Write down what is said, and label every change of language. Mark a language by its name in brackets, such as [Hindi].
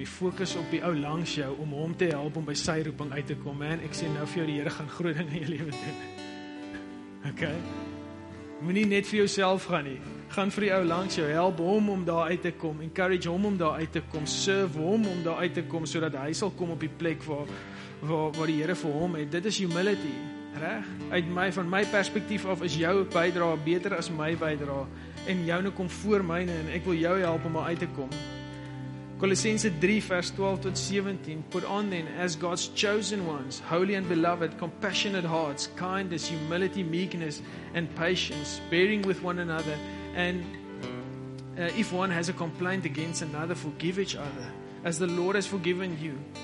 [Afrikaans] Jy fokus op die ou langs jou om hom te help om by sy roeping uit te kom. Man, ek sê nou vir jou, die Here gaan groot dinge in jou lewe doen. Okay? Moenie net vir jouself gaan nie. Gaan vir die ou langs jou. Help hom om daar uit te kom. Encourage hom om daar uit te kom. Serve hom om daar uit te kom, sodat hy sal kom op die plek waar die Here vir hom het. Dit is humility. Reg? Uit my, van my perspektief af, is jou bydra beter as my bydra. En jou nou kom voor myne en ek wil jou help om daar uit te kom. Kolossense 3 vers 12 tot 17. [English] Put on then as God's chosen ones, holy and beloved, compassionate hearts, kindness, humility, meekness and patience, bearing with one another. And if one has a complaint against another, forgive each other as the Lord has forgiven you.